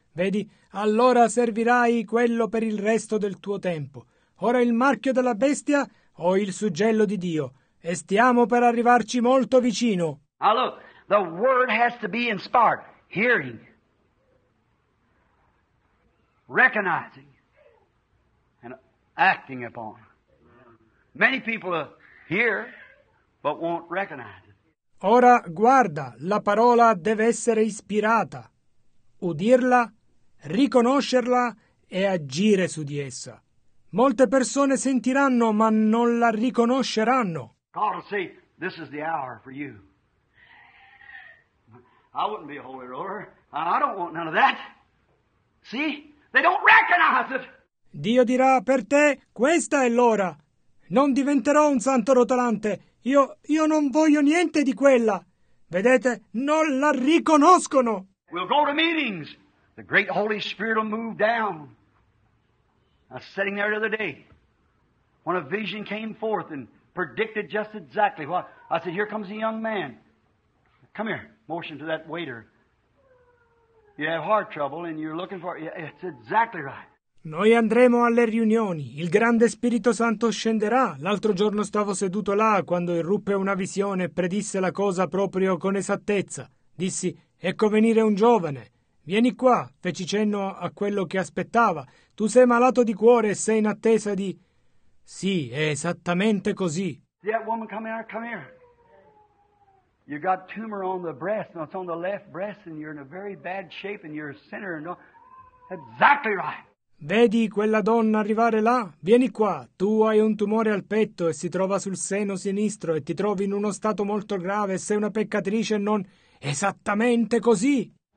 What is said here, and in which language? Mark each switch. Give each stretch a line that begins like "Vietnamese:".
Italian: Vedi, allora servirai quello per il resto del tuo tempo. Ora il marchio della bestia o il suggello di Dio. E stiamo per arrivarci molto vicino.
English: Now look, the word has to be inspired. Hearing. Recognizing. And acting upon. Many people hear, but won't recognize.
Italian: Ora, guarda, la parola deve essere ispirata. Udirla, riconoscerla e agire su di essa. Molte persone sentiranno, ma non la riconosceranno.
English: God will say, this is the hour for you. I wouldn't be a holy roller. I don't want none of that. See? They don't recognize it.
Italian: Dio dirà, per te, questa è l'ora. Non diventerò un santo rotolante. Io non voglio niente di quella. Vedete, non la riconoscono.
English: We'll go to meetings. The great Holy Spirit will move down. I was sitting there the other day when a vision came forth and predicted just exactly what. I said, here comes a young man. Come here. Motion to that waiter. You have heart trouble and you're looking for... It's exactly right.
Italian: Noi andremo alle riunioni, il grande Spirito Santo scenderà. L'altro giorno stavo seduto là quando irruppe una visione e predisse la cosa proprio con esattezza. Dissi, ecco venire un giovane. Vieni qua, feci cenno a quello che aspettava. Tu sei malato di cuore e sei in attesa di... Sì, è esattamente così.
English: That woman, come here, come here. You got tumor on the breast, no, it's on the left breast and you're in a very bad shape and you're a sinner. And no... Exactly right.
Italian: Vedi quella donna arrivare là? Vieni qua, tu hai un tumore al petto e si trova sul seno sinistro e ti trovi in uno stato molto grave e sei una peccatrice e non... Esattamente così!